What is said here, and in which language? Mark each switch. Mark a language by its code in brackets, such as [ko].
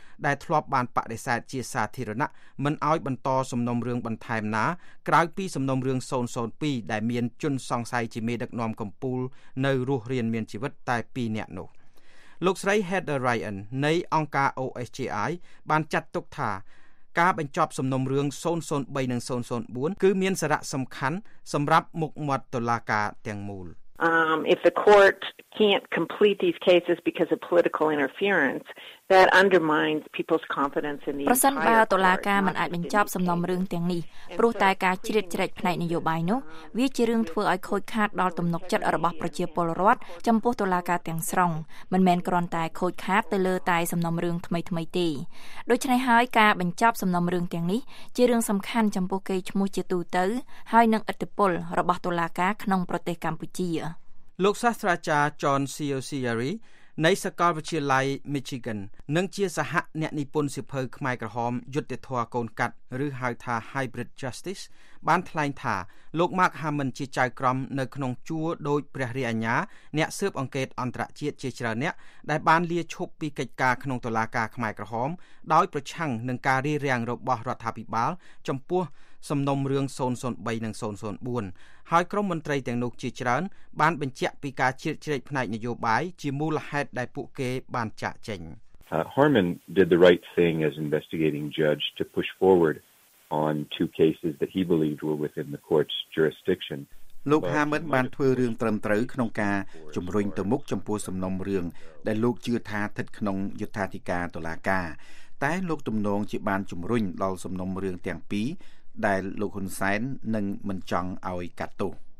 [km] ដែលធ្លាប់បានបដិសេធជាសាធារណៈមិនឲ្យបន្តសំណុំរឿងបន្ថែមណាក្រៅពីសំណុំរឿង002ដែលមានជនសង្ស័យជាមេដឹកនាំកំពូលនៅរស់រានមានជីវិតតែ2នាក់នោះលោកស្រី Heather Ryan នៃអង្គការ OSGI បានចាត់ទុកថាការបញ្ចប់សំណុំរឿង003និង004គឺមានសារៈសំខាន់សម្រាប់មុខមាត់តុលាការទាំងមូល [en] If the court can't complete these cases because of political interference, that undermines people's confidence in the entire court. [km] ប្រសិនបើ តុលាការមិនអាចបញ្ចប់សំណុំរឿងទាំងនេះព្រោះតែការជ្រៀតជ្រែកផ្នែកនយោបាយនោះវាជារឿងធ្វើឲ្យខូចខាតដល់ទំនុកចិត្តរបស់ប្រជាពលរដ្ឋចំពោះតុលាការទាំងស្រុងមិនមែនគ្រាន់តែខូចខាតទៅលើតែសំណុំរឿងថ្មីថ្មីទេដូច្នេះហើយការបញ្ចប់សំណុំរឿងទាំងនេះជារឿងសំខាន់ចំពោះកេរ្តិ៍ឈ្មោះជាទូទៅហើយនិងឥទ្ធិពលរបស់តុលាការក្នុងប្រទេសកម្ពុជា លោកសាស្ត្រាចារ្យ John Cioccieri នៃសាកលវិទ្យាល័យ Michigan និងជាសហអ្នកនិពន្ធសៀវភៅខ្មែរក្រហមយុត្តិធម៌កូនកាត់ឬហៅថា Hybrid Justice បានថ្លែងថាលោក Mark Hammon ជាចៅក្រមនៅក្នុងជួរដោយព្រះរាជអាជ្ញាអ្នកស៊ើបអង្កេតអន្តរជាតិជាច្រើនអ្នកដែលបានលាឈប់ពីកិច្ចការក្នុងតុលាការខ្មែរក្រហមដោយប្រឆាំងនឹងការរារាំងរបស់រដ្ឋាភិបាលចំពោះសំណុំរឿង003និង 004ហើយក្រុមមន្ត្រីទាំងនោះជាច្រើនបានបញ្ជាក់ពីការជ្រៀតជ្រែកផ្នែកនយោបាយជាមូលហេតុដែលពួកគេបានចាកចេញ [en] Harmon did the right thing as investigating judge to push forward on two cases that he believed were within the court's jurisdiction [km] លោក Harmon បានធ្វើរឿងត្រឹមត្រូវក្នុងការជំរុញទៅមុខចំពោះសំណុំរឿងដែលលោកជឿថាស្ថិតក្នុងយុត្តាធិការតុលាការតែលោកទំនងជាបានជំរុញដល់សំណុំរឿងទាំងពីរដែលលោកហ៊ុនសែននឹងមិនចង់ឲ្យកាត់ទោស